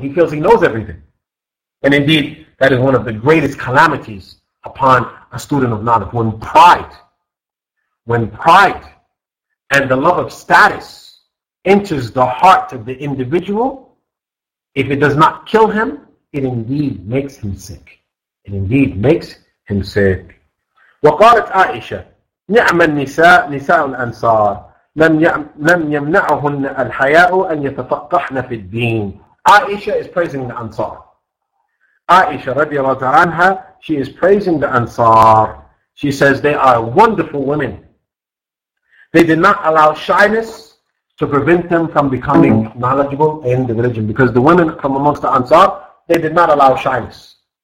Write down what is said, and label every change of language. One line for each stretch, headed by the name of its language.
English: He feels he knows everything. And indeed, that is one of the greatest calamities upon a student of knowledge. When pride and the love of status enters the heart of the individual, if it does not kill him, it indeed makes him sick. It indeed makes him sick.
Arabic: وقالت عائشة نعم النساء نساء الأنصار لم يمنعهن الحياء أن يتفقحن في الدين.
English: Aisha is praising the Ansar. Aisha رضي الله عنها, she is praising the Ansar. She says they are wonderful women. They did not allow shyness to prevent them from becoming knowledgeable in the religion. Because the women from amongst the Ansar, they did not allow shyness.